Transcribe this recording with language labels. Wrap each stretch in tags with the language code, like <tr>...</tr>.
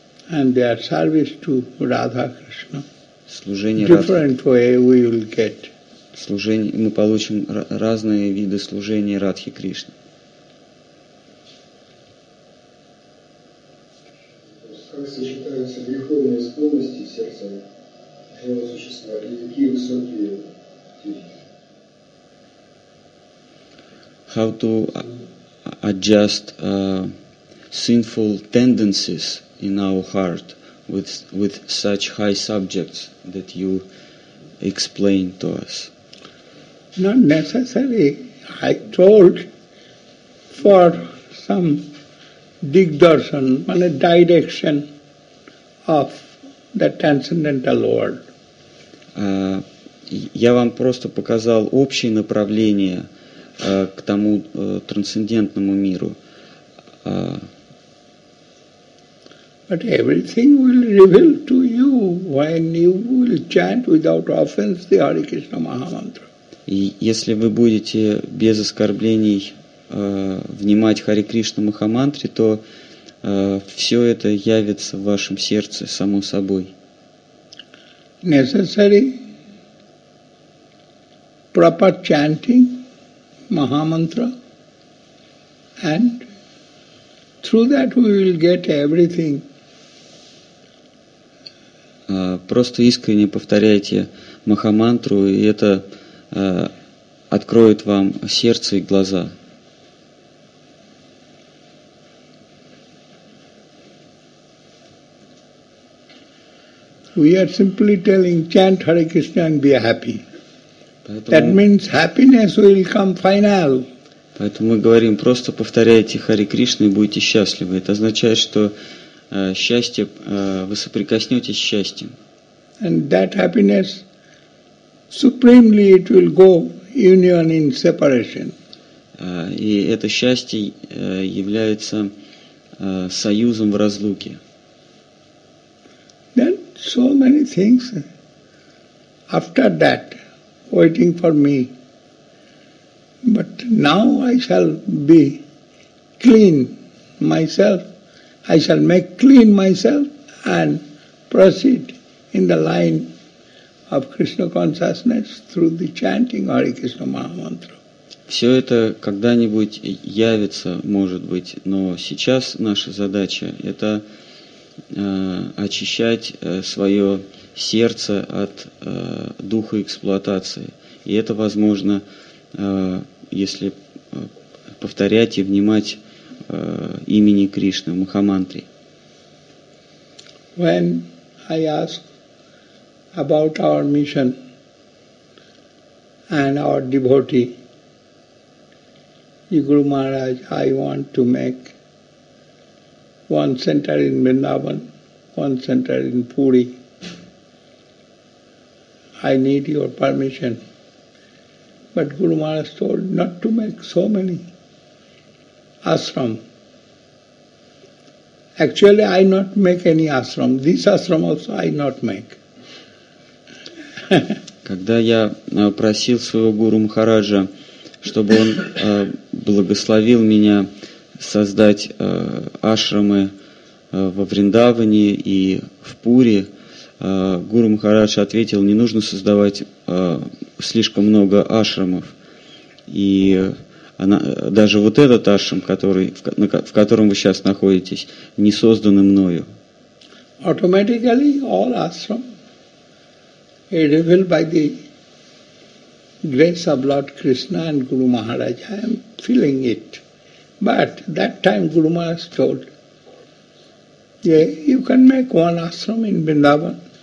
<en>And they are service to Radha Krishna.</en> <ru>Служение</ru> <en>Different</en> <ru>Радхи.</ru> <en>Way we will get.</en> <ru>Служение, мы получим разные виды служения Радхи Кришны. Как сочетаются греховные склонности сердца его существа, и какие высокие деньги.</ru> <en>How to adjust sinful tendencies in our heart with such high subjects that you explained to us? Not necessarily. I told for some digdarshan, a direction of the transcendental Lord.</en> <ru>Я вам просто показал общее направление к тому трансцендентному миру.</ru> <en>But everything will reveal to you when you will chant without offense the Hare Krishna Mahamantra.</en> <ru>Если вы будете без оскорблений внимать Харе Кришна Махамантре, то все это явится в вашем сердце само собой.</ru> <en>Necessary proper chanting Mahamantra, and through that we will get everything.</en> <ru>Просто искренне повторяйте Махамантру, и это откроет вам сердце и глаза.</ru> <en>We are simply telling, chant Hare Krishna and be happy. That means happiness will come final.</en> <ru>Поэтому мы говорим, просто повторяйте Харе Кришну и будете счастливы. Это означает, что счастье, вы соприкоснетесь с счастьем.</ru> <en>And that happiness, supremely it will go union in separation.</en> <ru>И это счастье является союзом в разлуке.</ru> <en>Then so many things after that. Waiting for me, but now I shall be clean myself. I shall make clean myself and proceed in the line of Krishna consciousness through the chanting Hare Krishna Mahamantra.</en> <ru>Все это когда-нибудь явится, может быть, но сейчас наша задача – это очищать свое сердце от духа эксплуатации. И это возможно, если повторять и внимать имени Кришны, Махамантри.</ru> <en>When I ask about our mission and our devotee, Guru Maharaj, I want to make one center in Vrindavan, one center in Puri. I need your permission. But Guru Maharaj told not to make so many ashram. Actually, I not make any ashram. This ashram also I not make.</en> <ru>Когда я просил своего Гуру Махараджа, чтобы он благословил меня создать ашрамы во Вриндаване и в Пуре, Гуру Махарадж ответил, не нужно создавать слишком много ашрамов. И даже вот этот ашрам, в котором вы сейчас находитесь, не созданы мною.</ru> <en>Automatically all ashram is revealed by the grace of Lord Krishna and Guru Maharaj. I am feeling it. But that time Guru Maharaj told, you can make one ashram in Vrindavan.</en>